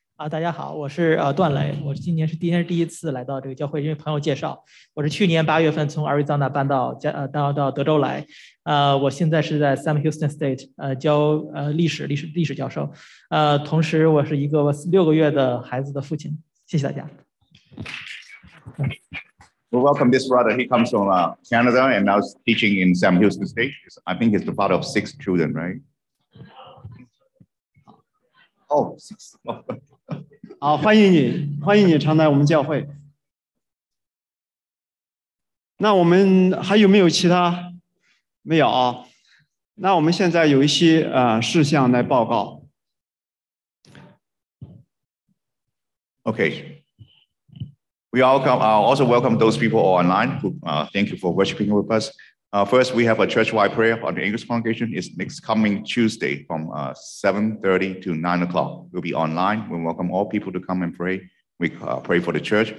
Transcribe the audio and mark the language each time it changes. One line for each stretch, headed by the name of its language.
Chinese: 大家好，我是段磊，我今天是第一天是第一次来到这个教会，因为朋友介绍，我是去年8月份从阿瑞桑那搬到德州来，我现在是在 Sam Houston State 教历史教授，同时我是一个6个月的孩子的父亲，谢谢大家。We
English: welcome this brother. He comes from Canada and now is teaching in Sam Houston State. I think he's the father of 6 children, right? Oh, 6.
Chinese: 好，欢迎你，欢迎你常来我们教会。那我们还有没有其他？没有啊。那我们现在有一些事项来报告。
English: Okay. We welcome, also welcome those people all online who thank you for worshiping with us. First, we have a church-wide prayer on the English congregation. It's next coming Tuesday from 7:30 to 9 o'clock. We'll be online. We welcome all people to come and pray. We pray for the church.